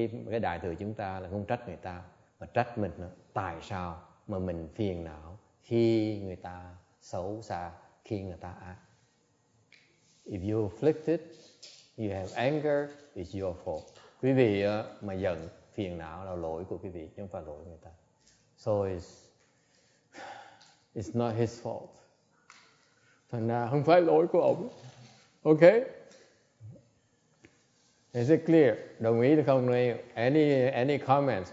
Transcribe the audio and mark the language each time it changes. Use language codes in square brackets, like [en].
[vi] Cái đại từ chúng ta là không trách người ta, mà trách mình đó. Tại sao mà mình phiền não khi người ta xấu xa, khi người ta ác. [en] If you're afflicted, you have anger, it's your fault. [vi] Quý vị mà giận, phiền não là lỗi của quý vị, chứ không phải lỗi người ta. [en] So it's It's not his fault. [vi] Thành ra không phải lỗi của ông. [en] Okay? Is it clear? [vi] Đồng ý được không? [en] Any comments?